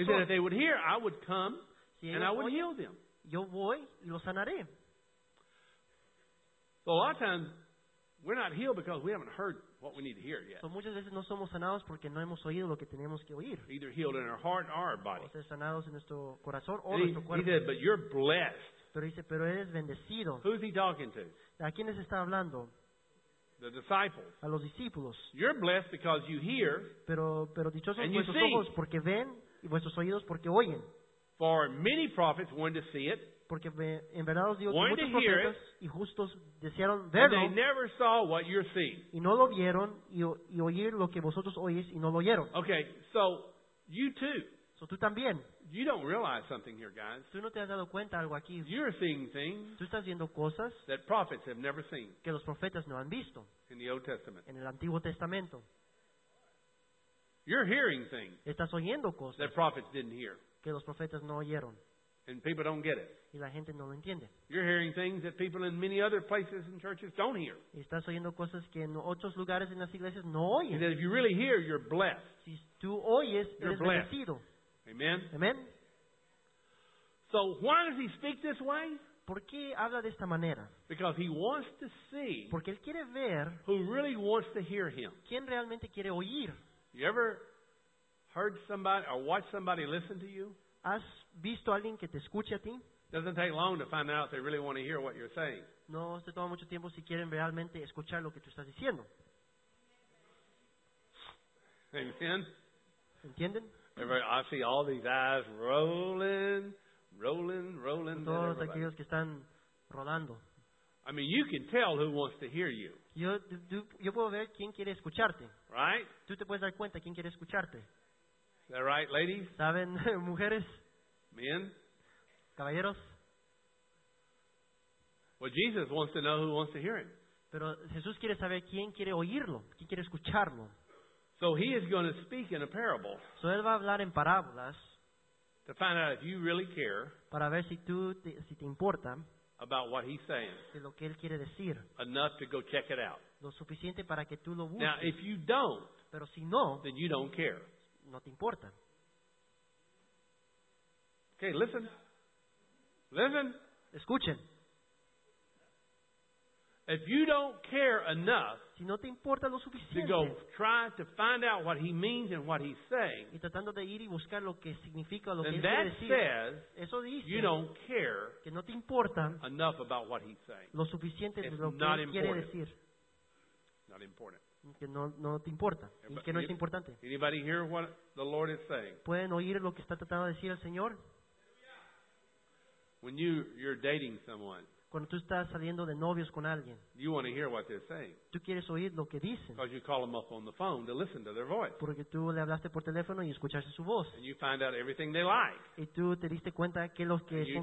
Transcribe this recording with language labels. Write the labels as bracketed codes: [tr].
[en] He said, if they would hear, I would come [es] si [en] and I would heal them. [es] Yo voy y los sanaré. [en] So a lot of times we're not healed because we haven't heard what we need to hear yet. [es] So muchas veces no somos sanados porque no hemos oído lo que tenemos que oír. [en] Either healed in our heart or our body. [es] O ser sanados en nuestro corazón o nuestro cuerpo. [en] He said, but you're blessed. [es] Pero dice, pero eres bendecido. [en] Who's he talking to? [es] ¿A quiénes está hablando? [en] The disciples. [es] A los discípulos. [en] You're blessed because you hear. [es] Pero dichosos [en] and [es] vuestros [en] you see. [es] Ojos porque ven y vuestros oídos porque oyen. [en] For many prophets wanted to see it. [es] Porque en verdad os digo que muchos profetas y justos desearon verlo. [en] They never saw what you're seeing. [es] Y no lo vieron y oír lo que vosotros oís y no lo oyeron. [en] Okay, so you too. [es] So tú también. [en] You don't realize something here, guys. [es] Tú no te has dado cuenta algo aquí. [en] You're seeing things. [es] Tú estás viendo cosas [en] that prophets have never seen. [es] Que los profetas no han visto. [en] In the Old Testament. [es] En el Antiguo Testamento. [en] You're hearing things. [es] Estás oyendo cosas [en] that prophets didn't hear. [es] Que los profetas no oyeron. [en] And people don't get it. [es] Y la gente no lo entiende. [en] You're hearing things that people in many other places and churches don't hear. [es] Y estás oyendo cosas que en otros lugares en las iglesias no oyen. [en] And if you really hear, you're blessed. [es] Si tú oyes, eres bendecido. [en] Amen. [es] Amen. [en] So why does he speak this way? [es] ¿Por qué habla de esta manera? [en] Because he wants to see. [es] Porque él quiere ver. [en] Who really wants to hear him? [es] ¿Quién realmente quiere oír? [en] You ever heard somebody or watched somebody listen to you? [es] ¿Has visto a alguien que te escuche a ti? [en] Doesn't take long to find out if they really want to hear what you're saying. [es] No se toma mucho tiempo si quieren realmente escuchar lo que tú estás diciendo. [en] Amen. [es] ¿Entienden? [en] Everybody, I see all these eyes rolling. [es] Todos aquellos que están rodando. [en] I mean, you can tell who wants to hear you. [es] Yo puedo ver quién quiere escucharte. [en] Right? [es] Tú te puedes dar cuenta quién quiere escucharte. [en] Is that right, ladies? [es] ¿Saben, mujeres? [en] Men? [es] Caballeros? [en] Well, Jesus wants to know who wants to hear him. [es] Pero Jesús quiere saber quién quiere oírlo, quién quiere escucharlo. [en] So he is going to speak in a parable. [es] So él va a hablar en parábolas. [en] To find out if you really care. [es] Para ver si te importa. [en] About what he's saying. [es] De lo que él quiere decir. [en] Enough to go check it out. [es] Lo suficiente para que tú lo busques. [en] Now, if you don't, [es] pero si no, [en] then you don't care. [es] No te importa. [en] Okay, listen. Listen. [es] Escuchen. [en] If you don't care enough. [es] si no te importa lo suficiente, [en] to go try to find out what he means and what he's saying, [es] y tratando de ir y buscar lo que significa lo [en] then [es] que él quiere decir, [en] says, [es] eso dice [en] you don't care [es] que no te importa [en] enough about what he's saying. [es] Lo suficiente [en] it's [es] de lo que [en] not [es] él quiere decir. [en] Not important. [es] Que no te importa y que no es importante. [en] Anybody hear what the Lord is saying? [es] ¿Pueden oír lo que está tratando de decir el Señor? [en] When you're dating someone, [es] cuando tú estás saliendo de novios con alguien, [en] you want to hear what they're saying. [es] Tú quieres oír lo que dicen. [en] Because you call them up on the phone to listen to their voice. [es] Porque tú le hablaste por teléfono y escuchaste su voz. [en] And you find out everything they like. [es] Y tú te diste cuenta que los que son